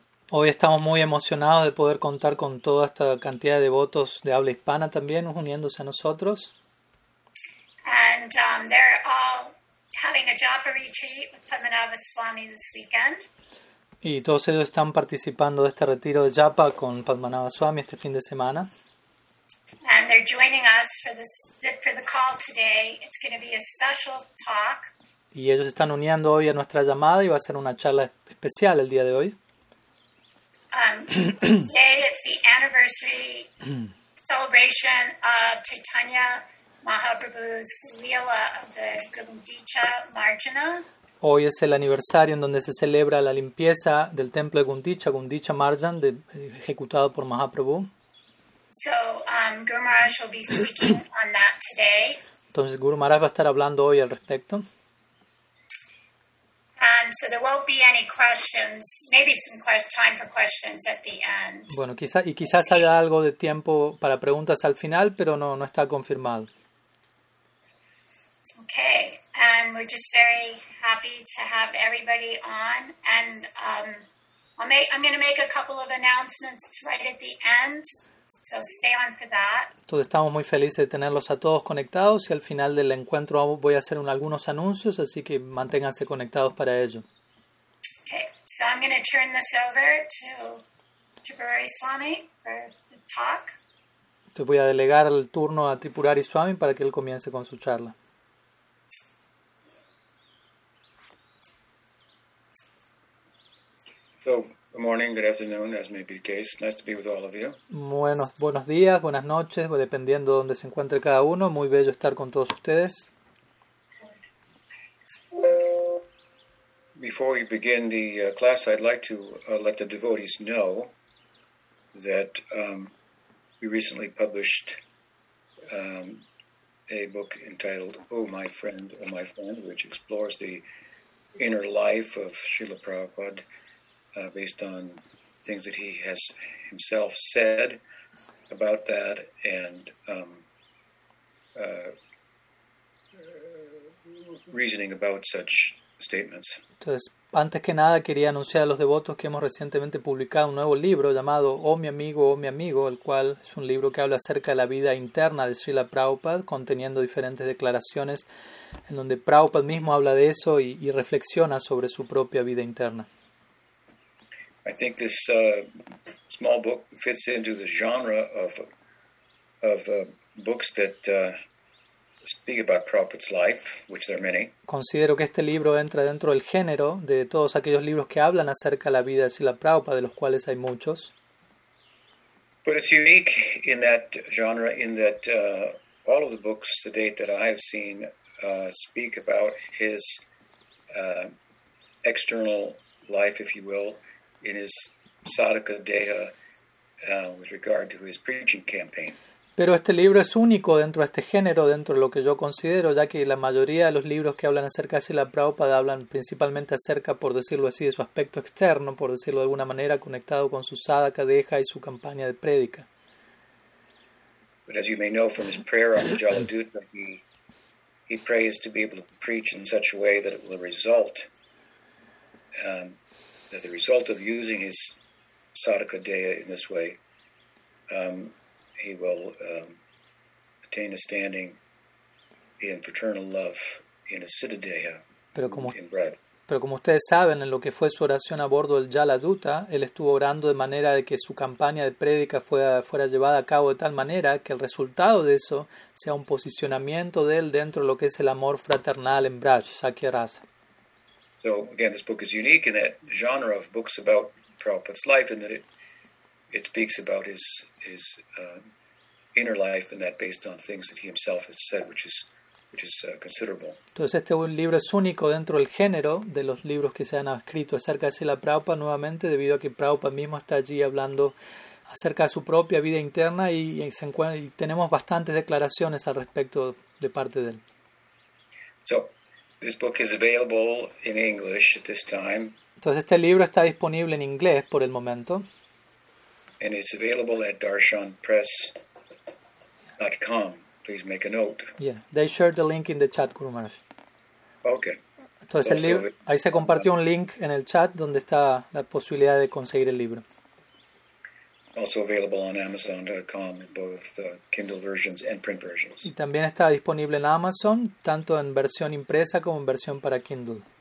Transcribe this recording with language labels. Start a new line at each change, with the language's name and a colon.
Spanish: Hoy estamos muy emocionados de poder contar con toda esta cantidad de devotos de habla hispana también uniéndose a nosotros.
English: And they're all having a japa retreat with Padmanabha Swami this weekend.
Spanish: Y todos ellos están participando de este retiro de japa con Padmanabha Swami este fin de semana.
English: And they're joining us for the call today. It's going to be a special talk.
Spanish: Y ellos están uniendo hoy a nuestra llamada y va a ser una charla especial el día de hoy.
English: Today is the anniversary celebration of Chaitanya Mahaprabhu's Lila of the Gundica Margina.
Spanish: Hoy es el aniversario en donde se celebra la limpieza del templo de Gundica, Gundica Margin, ejecutado por Mahaprabhu.
English: So, Guru Maharaj will be speaking on that today.
Spanish: Entonces, Guru Maharaj va a estar hablando hoy al respecto.
English: And so there won't be any questions, maybe some time for questions at the end.
Spanish: Bueno, quizás haya algo de tiempo para preguntas al final, pero no está confirmado.
English: Okay, and we're just very happy to have everybody on. And I'm going to make a couple of announcements right at the end, so stay on for that.
Spanish: Entonces estamos muy felices de tenerlos a todos conectados y al final del encuentro voy a hacer algunos anuncios, así que manténganse conectados para ello.
English: Okay, so I'm going to turn this over to Tripurari Swami for the talk.
Spanish: Entonces voy a delegar el turno a Tripurari Swami para que él comience con su charla.
English: So, good morning, good afternoon, as may be the case. Nice to be with all of you.
Spanish: Buenos días, buenas noches, dependiendo de donde se encuentre cada uno. Muy bello estar con todos ustedes.
English: Before we begin the class, I'd like to let the devotees know that we recently published a book entitled Oh, My Friend, which explores the inner life of Srila Prabhupada. Based on things that he has himself said about that, and reasoning about such statements.
Spanish: Entonces, antes que nada, quería anunciar a los devotos que hemos recientemente publicado un nuevo libro llamado Oh, mi amigo, el cual es un libro que habla acerca de la vida interna de Srila Prabhupada, conteniendo diferentes declaraciones en donde Prabhupada mismo habla de eso y reflexiona sobre su propia vida interna.
English: I think this small book fits into the genre of books that speak about Prabhupada's life, which there are many.
Spanish: Considero que este libro entra dentro del género de todos aquellos libros que hablan acerca de la vida de Srila Prabhupada, de los cuales hay muchos.
English: But it's unique in that genre in that all of the books to date that I have seen speak about his external life, if you will, in his sadhaka deha with regard to his preaching campaign.
Spanish: Pero este libro es único dentro de este género, dentro de lo que yo considero, ya que la mayoría de los libros que hablan acerca de Srila Prabhupada hablan principalmente acerca, por decirlo así, de su aspecto externo, por decirlo de alguna manera, conectado con su sadhaka deha y su campaña de prédica.
English: But as you may know from his prayer on the Jaladutta, he prays to be able to preach in such a way that it will result that the result of using his sadhaka deha in this way, he will attain a standing in fraternal love in a siddhadeha in bread.
Spanish: Pero como ustedes saben, en lo que fue su oración a bordo del Jaladuta, él estuvo orando de manera de que su campaña de prédica fuera llevada a cabo de tal manera que el resultado de eso sea un posicionamiento de él dentro de lo que es el amor fraternal en braj, sakya rasa.
English: So again, this book is unique in that genre of books about Prabhupada's life, in that it speaks about his inner life, and that based on things that he himself has said, which is considerable.
Spanish: Entonces este libro es único dentro del género de los libros que se han escrito acerca de la Prabhupada, nuevamente debido a que Prabhupada mismo está allí hablando acerca de su propia vida interna y tenemos bastantes declaraciones al respecto de parte de él.
English: So. This book is available in English at this time.
Spanish: Entonces este libro está disponible en inglés por el momento.
English: And it's available at darshanpress.com. Please make a note. Yeah, they shared the link in the chat, Guru Maharaj. Okay.
Spanish: Entonces, el libro, ahí se compartió un link en el chat donde está la posibilidad de conseguir el libro.
English: Also available on Amazon.com in both Kindle versions and print versions.
Spanish: Y también está disponible en Amazon, tanto en versión impresa como en versión para Kindle.